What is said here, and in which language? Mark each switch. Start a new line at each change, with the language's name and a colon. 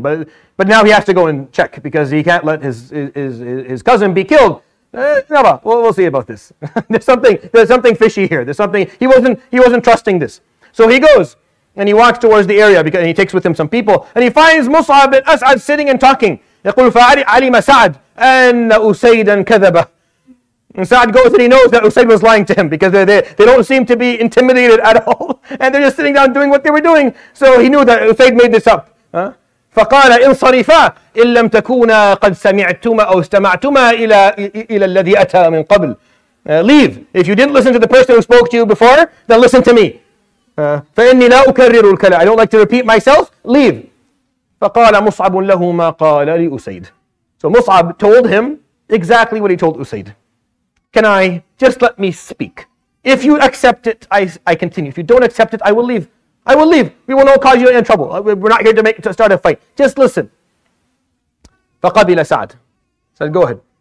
English: But now he has to go and check because he can't let his cousin be killed.
Arabic: نَرَى.
English: We'll see about this. there's something fishy here. There's something. He wasn't trusting this. So he goes and he walks towards the area because and he takes with him some people and he finds Mus'ab and As'ad sitting and talking.
Arabic: يقول فعلم سعد أن أسيدا كذبه.
English: And Sa'd goes and he knows that Usayd was lying to him because they don't seem to be intimidated at all. And they're just sitting down doing what they were doing. So he knew that Usayd made this up.
Arabic: فقال انصرفا إن لم تكونا قد سمعتما أو استمعتما إلى الذي أتى من قبل.
English: Leave. If you didn't listen to the person who spoke to you before, then listen to me.
Arabic: فإني لا أكرر الكلام.
English: I don't like to repeat myself. Leave.
Arabic: فقال مصعب له ما قال لأسيد.
English: So Mus'ab told him exactly what he told Usaid. Can I just let me speak? If you accept it, I continue. If you don't accept it, I will leave. I will leave. We will not cause you any trouble. We're not here to start a fight. Just listen.
Arabic: فَقَبِلَ سَعْد.
English: Said, go ahead.